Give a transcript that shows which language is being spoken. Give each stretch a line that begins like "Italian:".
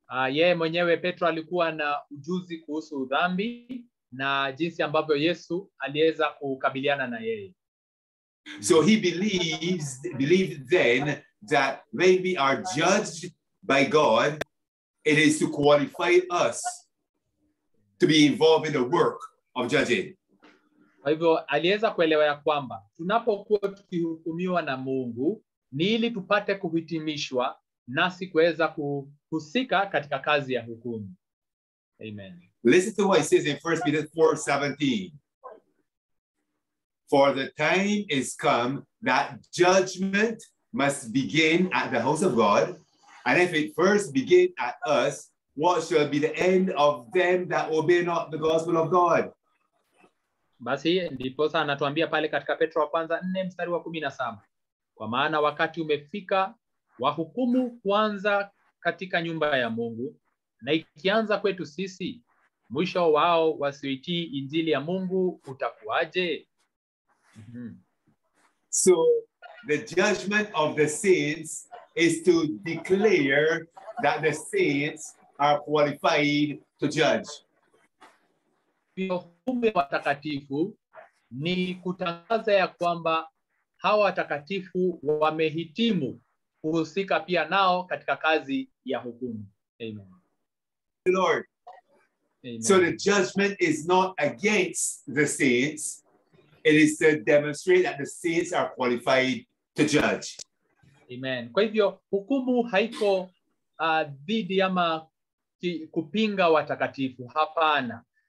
Swahili: Yeye mwenyewe Petro alikuwa na ujuzi kuhusu dhambi na jinsi ambavyo Yesu aliweza kukabiliana na yeye.
English: So he believed then that when we are judged by God, it is to qualify us to be involved in the work of judging.
Swahili: Kwa hivyo aliweza kuelewa ya kwamba tunapokuwa tukihukumiwa na Mungu ni ili tupate kuhitimishwa nasi kuweza kuhusika katika kazi ya hukumu. Amen.
English: Listen to what it says in 1 Peter 4:17. For the time is come that judgment must begin at the house of God, and if it first begin at us, what shall be the end of them that obey not the gospel of God?
Swahili: Basi ndipo sasa anatuambia pale katika Petro wa kwanza 4:17. Kwa maana wakati umefika wa hukumu kuanza katika nyumba ya Mungu, na ikianza kwetu sisi, mwisho wao wasioitii injili ya Mungu utakuwaje?
English: So the judgment of the saints is to declare that the saints are qualified to judge.
Swahili: Hukumu watakatifu ni kutangaza ya kwamba hawa watakatifu wamehitimu kuhusika pia nao katika kazi ya hukumu. Amen.
English: Lord. Amen. So the judgment is not against the saints. It is to demonstrate that the saints are qualified to judge.
Swahili: Amen. Kwa hivyo, hukumu haiko dhidi ama kupinga watakatifu. Hapana.